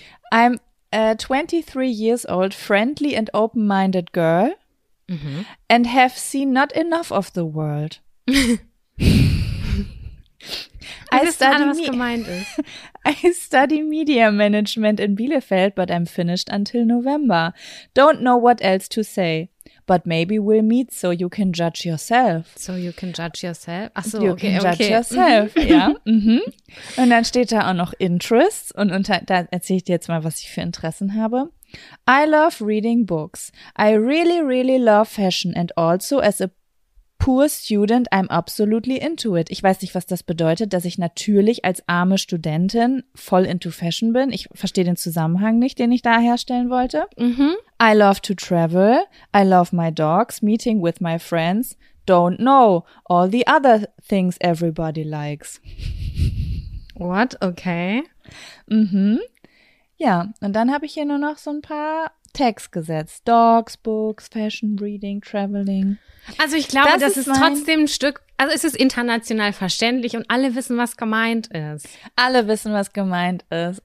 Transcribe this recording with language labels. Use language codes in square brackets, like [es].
[en] I'm a 23 years old, friendly and open-minded girl and have seen not enough of the world. I st- [de] gerade, was gemeint ist. [en] I study media management in Bielefeld, but I'm finished until November. Don't know what else to say. But maybe we'll meet so you can judge yourself. So you can judge yourself? [de] Ach so, [en] you okay, can okay. judge yourself, [de] ja. [en] Mhm. [de] Und dann steht da auch noch Interests. Und unter, da erzähle ich dir jetzt mal, was ich für Interessen habe. [en] I love reading books. I really, really love fashion. And also as a poor student, I'm absolutely into it. [de] Ich weiß nicht, was das bedeutet, dass ich natürlich als arme Studentin voll [en] into fashion [de] bin. Ich verstehe den Zusammenhang nicht, den ich da herstellen wollte. Mhm. [en] I love to travel. I love my dogs, meeting with my friends. Don't know all the other things everybody likes. What? Okay. Mhm. [de] Ja, und dann habe ich hier nur noch so ein paar Tags gesetzt. [en] Dogs, Books, Fashion, Reading, Traveling. [de] Also ich glaube, das ist trotzdem ein Stück, also es ist international verständlich und alle wissen, was gemeint ist. Alle wissen, was gemeint ist.